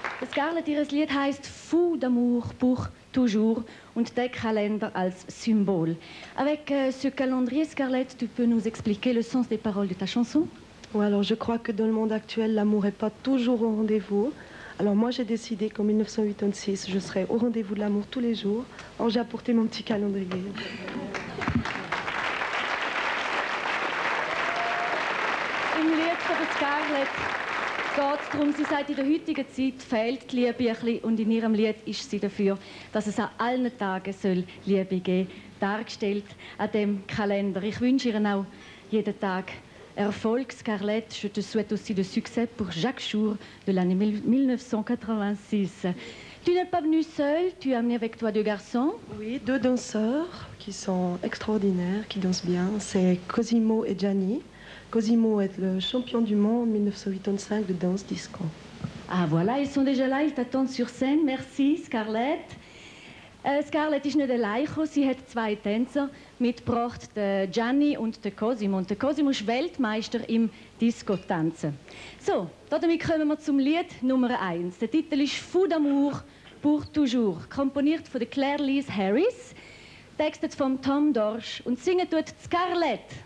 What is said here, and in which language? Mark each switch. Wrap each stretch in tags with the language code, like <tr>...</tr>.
<de>Scarlett, ihr Lied heisst «Fou d'amour pour toujours» und der Kalender als Symbol.</de> <fr>Avec ce calendrier, Scarlett, tu peux nous expliquer le sens des paroles de ta chanson? Oui, alors je crois que dans le monde actuel, l'amour n'est pas toujours au rendez-vous. Alors moi, j'ai décidé qu'en 1986, je serai au rendez-vous de l'amour tous les jours. Alors j'ai apporté mon petit calendrier.</fr> <de>Im Lied von Scarlett. Geht darum, sie sagt, in der heutigen Zeit fehlt die Liebe ein bisschen und in ihrem Lied ist sie dafür, dass es an allen Tagen soll Liebe geben soll, dargestellt an diesem Kalender. Ich wünsche ihr auch jeden Tag Erfolg, Scarlett.</de> <fr>Je te souhaite aussi de succès pour chaque jour de l'année 1986. Tu n'es pas venue seule, tu as amené avec toi deux garçons. Oui, deux danseurs qui sont extraordinaires, qui dansent bien, c'est Cosimo et Gianni. Cosimo est le champion du monde 1985 de danse disco. Ah voilà, ils sont déjà là, ils t'attendent sur scène. Merci Scarlett.</fr> <de>Scarlett ist nicht allein gekommen, sie hat zwei Tänzer mitgebracht, den Gianni und den Cosimo. Und der Cosimo ist Weltmeister im Disco-Tanzen. So, damit kommen wir zum Lied Nummer 1. Der Titel ist «Fou d'amour pour toujours», komponiert von Claire Lise Harris, textet von Tom Dorsch und singen tut Scarlett.</de>